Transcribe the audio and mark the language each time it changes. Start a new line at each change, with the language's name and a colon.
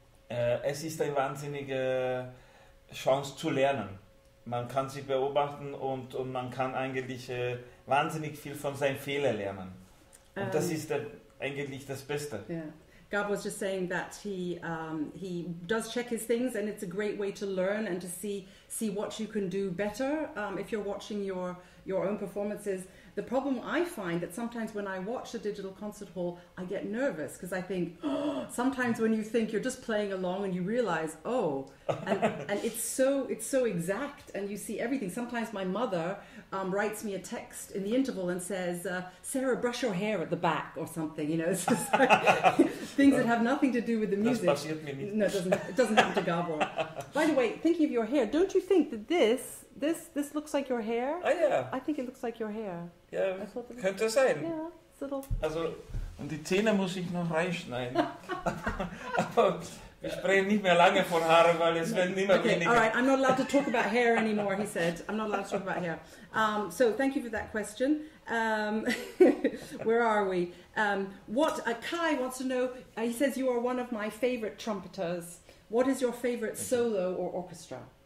German: Aber es ist eine wahnsinnige Chance zu lernen. Man kann sich beobachten und man kann eigentlich wahnsinnig viel von seinen Fehlern lernen. Und das ist eigentlich das Beste.
English: Yeah. Gab was just saying that he does check his things, and it's a great way to learn and to see what you can do better if you're watching your own performances. The problem I find that sometimes when I watch a digital concert hall, I get nervous because I think, sometimes when you think you're just playing along and you realize, oh, and it's so exact and you see everything. Sometimes my mother writes me a text in the interval and says, Sarah, brush your hair at the back or something, you know, it's just like things that have nothing to do with the music. No, it doesn't happen to Gabor. By the way, thinking of your hair, don't you think that this looks like your hair? Oh, yeah. I think it looks like your hair. Yeah,
German: könnte sein.
English: Yeah, little.
German: Also, und die Zähne muss ich noch reinschneiden. Aber wir sprechen nicht mehr lange von Haaren, weil es werden immer weniger.
English: All right, I'm not allowed to talk about hair anymore, he said. I'm not allowed to talk about hair. So, thank you for that question. where are we? Kai wants to know, he says, you are one of my favorite trumpeters. What is your favorite solo or orchestra?